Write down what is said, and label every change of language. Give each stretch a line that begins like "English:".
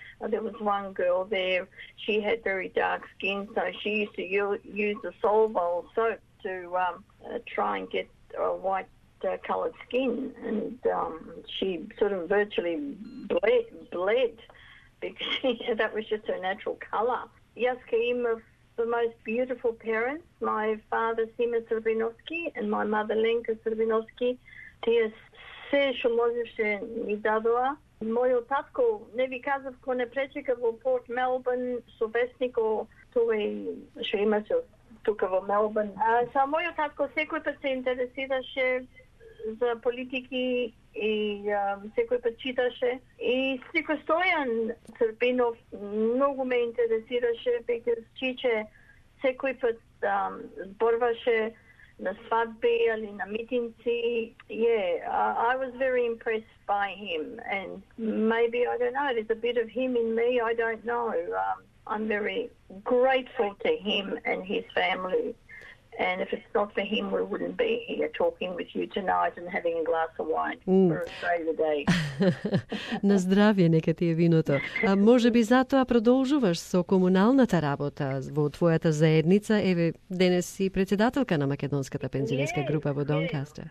English: There was one girl there, she had very dark skin, so she used to use the Solvol soap to try and get a white coloured skin, and she sort of virtually bled because that was just her natural colour.
Macedonian: Јас ке имав
English: the most beautiful parents. My father Сима Србиновски and my mother Ленка Србиновски.
Macedonian: Тие се што можеше ни дадоа, Мојот татко не ви казав ко не пречека во Порт Мелбурн со вестнико, тој што имаше тука во Мелбурн. А со мојот татко секој пат се интересираше за политики и секој пат читаше. И Стико Стојан Црпинов многу ме интересираше, бидејќи чиче секој пат зборваше на свадби или на митинци.
English: I was very impressed by him, and maybe, I don't know, there's a bit of him in me, I don't know. I'm very grateful to him and his family, and if it's not for him, we wouldn't be here talking with you tonight and having a glass of wine for Australia Day.
Macedonian: На здравје нека ти е виното. А може би затоа продолжуваш со комуналната работа во твојата заедница. Еве, денес си председателка на македонската пензионерска група во Донкастер.